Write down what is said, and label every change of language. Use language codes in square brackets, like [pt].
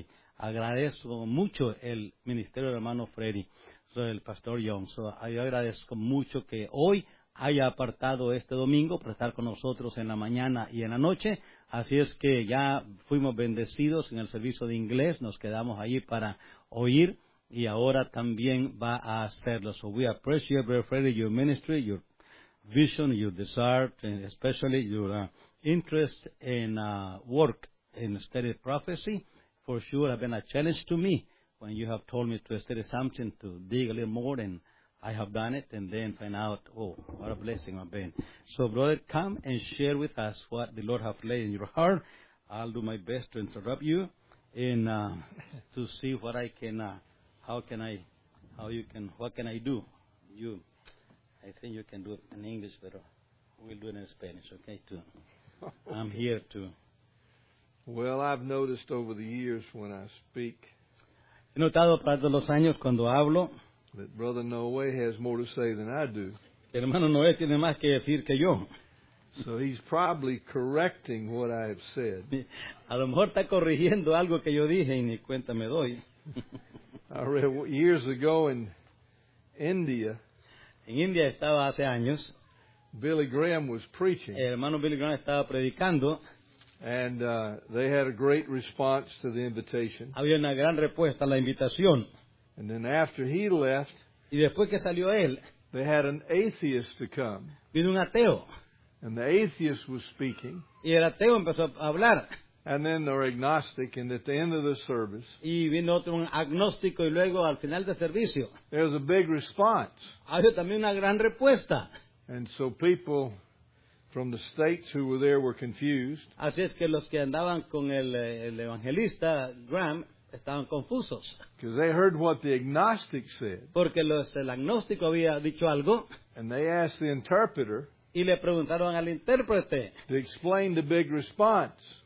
[es] Y agradezco mucho el ministerio del hermano Freddy, el pastor Young. So, yo agradezco mucho que hoy haya apartado este domingo para estar con nosotros en la mañana y en la noche. Así es que ya fuimos bendecidos en el servicio de inglés, nos quedamos allí para oír, y ahora también va a hacerlo. [en] So we appreciate, Brother Freddy, your ministry, your vision, your desire, and especially your interest in work in study prophecy. For sure have been a challenge to me when you have told me to study something, to dig a little more, and I have done it, and then find out, oh, what a blessing I've been. So, brother, come and share with us what the Lord has laid in your heart. I'll do my best to interrupt you and to see what I can, what can I do? You, I think you can do it in English, but we'll do it in Spanish, okay, too. I'm here, too. Well, I've noticed over the years when I speak. [es] He notado a través de los años cuando hablo. [en] That Brother Noé has more to say than I do. [es] El hermano Noé tiene más que decir que yo. [en] So he's probably correcting what I have said. [es] A lo mejor está corrigiendo algo que yo dije y ni cuenta me doy. [en] I read years ago in India. [es] En India estaba hace años. [en] Billy Graham was preaching. [es] El hermano Billy Graham estaba predicando. [en] And they had a great response to the invitation. [es] Había una gran respuesta a la invitación. [en] And then after he left, [es] y después que salió él, [en] they had an atheist to come. [es] Vino un ateo. [en] And the atheist was speaking. [es] Y el ateo empezó a hablar. [en] And then the agnostic, and at the end of the service, [es] y vino otro agnóstico, y luego al final del servicio, [en] there was a big response. [es] Había también una gran respuesta. [en] And so people from the states who were there were confused. [es] Así es que los que andaban con el evangelista Graham estaban confusos. [en] Because they heard what the agnostic said. [es] Porque el agnóstico había dicho algo. [en] And they asked the interpreter. [es] Y le preguntaron al intérprete. [en] To explain the big response.